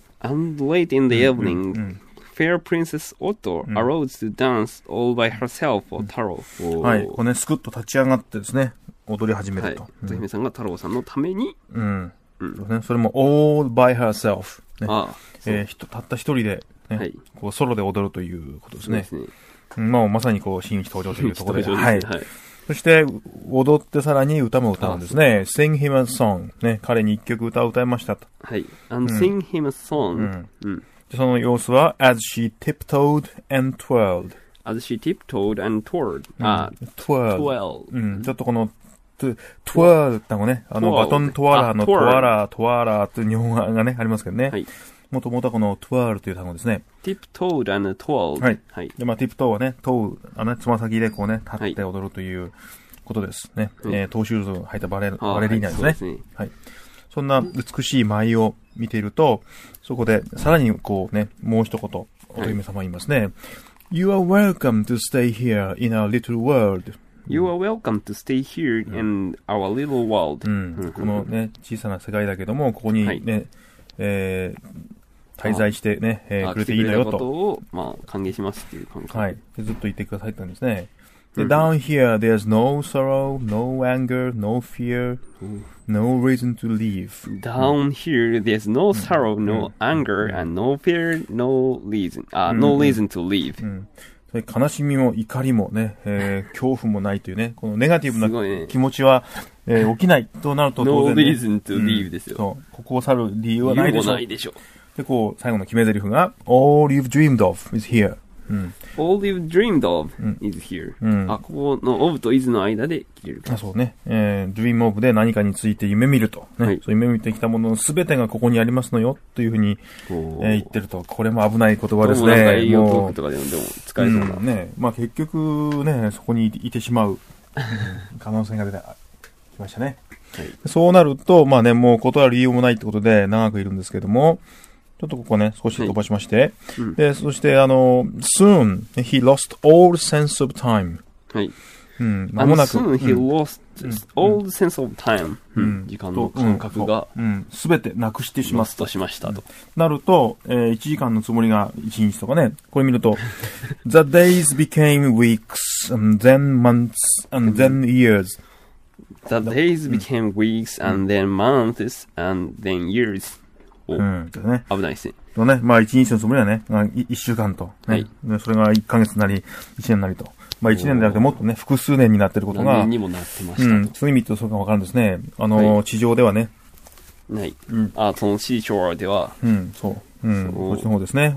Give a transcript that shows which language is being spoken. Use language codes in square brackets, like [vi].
[en] And late in the evening, Fair Princess Otto arose to dance all by herself for Taro. [ja] はい。これね、スクッと立ち上がってですね、踊り始めると。乙、はい、姫さんが太郎さんのために、それも [en] all by herself、 [ja] ね、ああ、たった一人で、ね、はい、こうソロで踊るということですね。ですね、まあ、まさにこう新一登場というところ で、ね、はい、はい。そして踊ってさらに歌も歌うんですね。 [en] Sing him a song、 [ja] ね、彼に一曲歌を歌いましたと。 [en] はい。And sing him a song、うんうん、 [ja] その様子は [en] As she tiptoed and twirled As she tiptoed and twirled、うん、あ、 twirled、 twirled、 [ja] うん、ちょっとこのトゥワーってのね、あのバトントワラーのトワラートワラーという日本語がね、ありますけどね。もともとこのトゥワールという単語ですね。ティップトウとトゥワール。はい。で、まあ、ティップトウはね、トウ、つま先でこうね、立って踊るということですね。はい、トウシューズを履いたバレリーナですね。はい。そんな美しい舞を見ていると、そこで、さらにこうね、もう一言、乙姫様言いますね、 [en] はい、You are welcome to stay here in our little world You are welcome to stay here in our little world.、 [ja] うん、このね、小さな世界だけども、ここにね、はい滞在してね、くれていいのよと。来てくれたことを、まあ、歓迎しますっていう感じ。はい。ずっと言ってくださったんですね。 [en] で、down here, there's no sorrow, no anger, no fear, no reason to leave. Down here, there's no sorrow, no anger, and no fear, no reason,、no reason to leave.、 [ja] うん悲しみも怒りもね、恐怖もないというね、このネガティブな気持ちは、ね起きないとなると当然、 [en] ね、No reason to leave [ja] ですよ、うん。ここを去る理由はないでしょう。ないでしょう。 [en] で、こう、最後の決め台詞が、All you've dreamed of is here.、うん、 All you've dreamed of is here.、うん、あ、 [ja] ここの of と is の間で切れるか。そうね、 [en] dream of [ja] で何かについて夢見ると、ねはい、そういう夢見てきたものの全てがここにありますのよ、というふうに、言ってると、これも危ない言葉ですね。どうもなんかAEOトークとかでも使えそうな、うん、ね。まあ結局ね、そこにいてしまう可能性が出てきましたね。はい、そうなると、まあね、もう断る理由もないってことで長くいるんですけども、ちょっとここね、少し飛ばしまして。はいうん、 [en] で、そして、soon, he lost all sense of time. [ja] はい。うん、まもなく。 [en] soon, he lost all sense of time.、 [ja] うん、時間の感覚が。すべてなくしてしまった。しましたと。なると、1時間のつもりが1日とかね。 [en] これ見ると、the days became weeks, and then months, and then years. The days became weeks, and then months, and then years. [ja] うんね、危ないですね。とね、まあ一日のつもりはね、一週間と、ね。はい。それが一ヶ月なり、一年なりと。まあ一年であってもっとね、複数年になってることが。何年にもなってましたと。うん。そういう意味ってそれがわかるんですね。はい、地上ではね。ない。うん。あ、そのシーショーでは。うん、そう。うん。そっちの方ですね。